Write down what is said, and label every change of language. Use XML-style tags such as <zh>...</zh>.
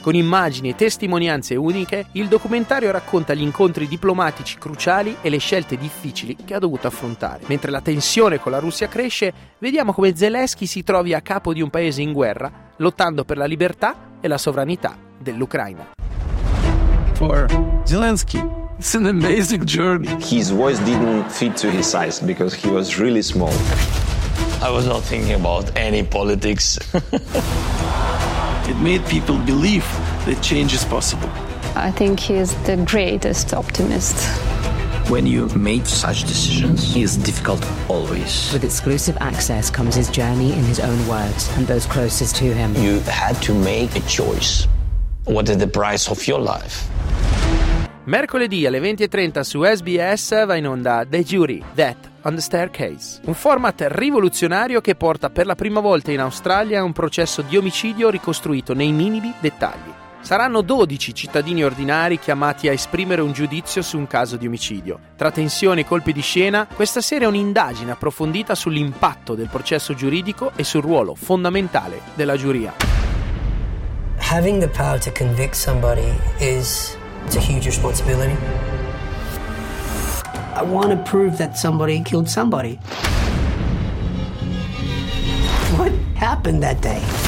<it>Con immagini e testimonianze uniche, il documentario racconta gli incontri diplomatici cruciali e le scelte difficili che ha dovuto affrontare. Mentre la tensione con la Russia cresce, vediamo come Zelensky si trovi a capo di un paese in guerra, lottando per la libertà e la sovranità dell'Ucraina.</it> <en>For Zelensky, it's an amazing journey. His voice didn't fit to his size because he was really small. I was not thinking about any politics. It made people believe that change is possible. I think he's the greatest optimist. When you make such decisions, he is difficult always. With exclusive access comes his journey in his own words and those closest to him. You had to make a choice. What is the price of your life?</en> <it>Mercoledì alle 20.30 su SBS va in onda The Jury, Death on the Staircase. Un format rivoluzionario che porta per la prima volta in Australia un processo di omicidio ricostruito nei minimi dettagli. Saranno 12 cittadini ordinari chiamati a esprimere un giudizio su un caso di omicidio. Tra tensioni e colpi di scena, questa serie è un'indagine approfondita sull'impatto del processo giuridico e sul ruolo fondamentale della giuria.</it> <en>Having the power to convict somebody is a huge responsibility. I want to prove that somebody killed somebody. What happened that day?</en>